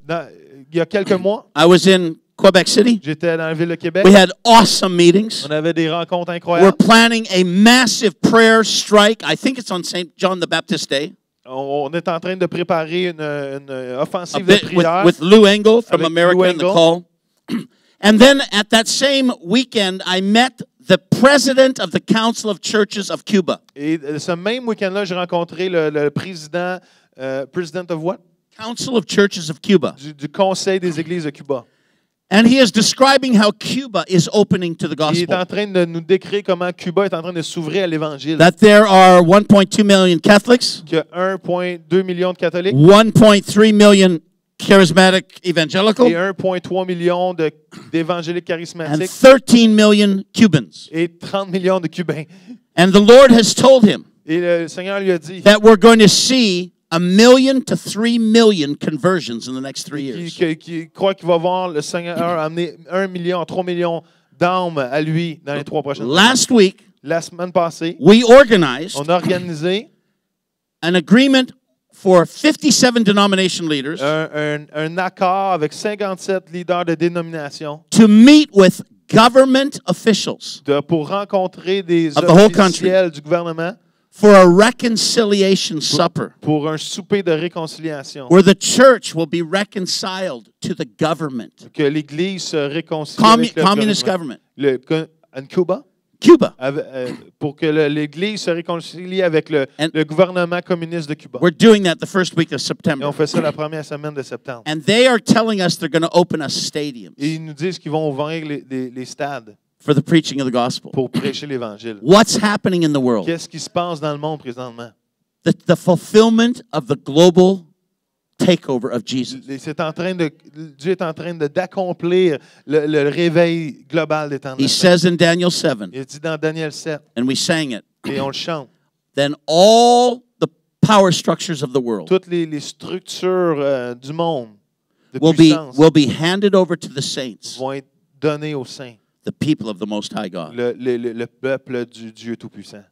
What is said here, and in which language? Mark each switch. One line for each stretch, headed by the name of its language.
French: il y a quelques mois,
English: I was in Quebec City.
French: J'étais dans la ville de Québec.
English: We had awesome meetings.
French: On avait des rencontres incroyables.
English: We're planning a massive prayer strike. I think it's on St. John the Baptist Day.
French: On est en train de préparer une offensive de prière.
English: With Lou Engel from America in the call. And then at that same weekend, I met the president of the Council of Churches of Cuba.
French: Et ce même weekend-là, j'ai rencontré le président,
English: president of what? Council of Churches of Cuba.
French: Du Conseil des Églises de Cuba.
English: And he is describing how Cuba is opening to the gospel.
French: Il est en train de nous décrire comment Cuba est en train de s'ouvrir à l'évangile.
English: That there are 1.2 million Catholics.
French: Qu'il y a 1.2 million de catholiques.
English: 1.3 million charismatic evangelical.
French: Et 1.3 million d'évangéliques charismatiques.
English: And 13 million Cubans.
French: Et 30 millions de Cubains.
English: And the Lord has told him.
French: Et le Seigneur lui a dit.
English: That we're going to see 1 million to 3 million conversions in the next 3 years.
French: Qui croit qu'il va voir le Seigneur amener 1 million à 3 millions d'âmes à lui dans les 3 prochaines années.
English: Last week,
French: la semaine passée,
English: we organized
French: on a organisé
English: an agreement for 57 denomination leaders
French: un accord avec 57 leaders de dénomination
English: to meet with government officials
French: pour rencontrer des officiels du gouvernement.
English: For a reconciliation supper.
French: Pour un souper de réconciliation.
English: Where the church will be reconciled to the government.
French: Que l'église se réconcilie avec le
English: communist
French: gouvernement.
English: Communist government.
French: En Cuba. Cuba. Pour que l'église se réconcilie avec le gouvernement communiste de Cuba.
English: We're doing that the first week of September.
French: Et on fait ça la première semaine de septembre.
English: And they are telling us they're going to open us stadiums.
French: Et ils nous disent qu'ils vont ouvrir les stades.
English: For the preaching of the gospel.
French: Pour prêcher l'évangile.
English: What's happening in the world?
French: Qu'est-ce qui se passe dans le monde présentement?
English: The fulfillment of the global takeover of Jesus.
French: Dieu est en train d'accomplir le réveil global des temps.
English: He says in Daniel 7.
French: Il dit dans Daniel 7.
English: And we sang it.
French: Et on le chante.
English: Then all the power structures of the world.
French: Toutes les structures du monde.
English: Will be handed over to the saints.
French: Vont être données aux saints.
English: The people of the Most High God.
French: Le peuple du Dieu Tout-Puissant.